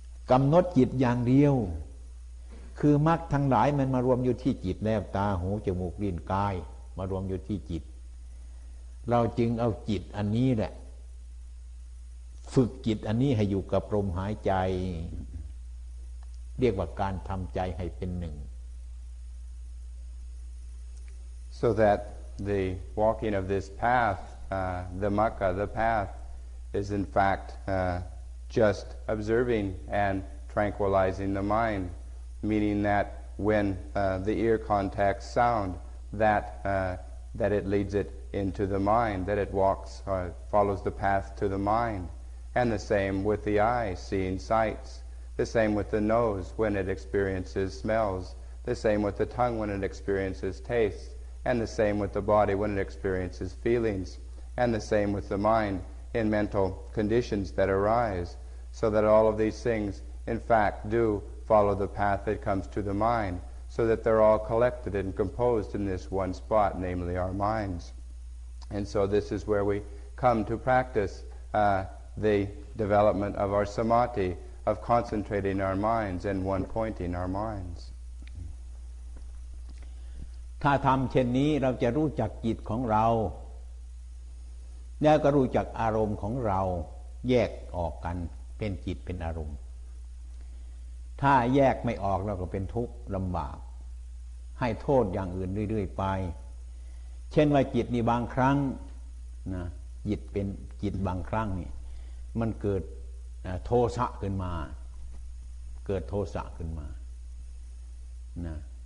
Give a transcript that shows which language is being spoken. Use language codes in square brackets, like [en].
[th] กำหนดจิตอย่างเดียวคือมรรคทั้งหลายมันมารวมอยู่ที่จิตแล้วตาหูจมูกลิ้นกายมารวมอยู่ที่จิตเราจึงเอาจิตอันนี้แหละฝึกจิตอันนี้ให้อยู่กับลมหายใจเรียกว่าการทำใจให้เป็นหนึ่ง [en] so that the walking of this path the mukha the path is in fact just observing and tranquilizing the mind meaning that when the ear contacts sound that it leads it into the mind that it walks follows the path to the mindAnd the same with the eye, seeing sights. The same with the nose, when it experiences smells. The same with the tongue, when it experiences tastes. And the same with the body, when it experiences feelings. And the same with the mind, in mental conditions that arise. So that all of these things, in fact, do follow the path that comes to the mind. So that they're all collected and composed in this one spot, namely our minds. And so this is where we come to practice, the development of our samadhi, of concentrating our minds and one-pointing our minds. [th] ถ้าทำเช่นนี้เราจะรู้จักจิตของเราแล้วก็รู้จักอารมณ์ของเราแยกออกกันเป็นจิตเป็นอารมณ์ถ้าแยกไม่ออกเราก็เป็นทุกข์ลำบากให้โทษอย่างอื่นเรื่อยๆไปเช่นว่าจิตนี่บางครั้งนะจิตเป็นจิตบางครั้งนี่มันเกิดโทสะขึ้นมาเกิดโทสะขึ้นมานะ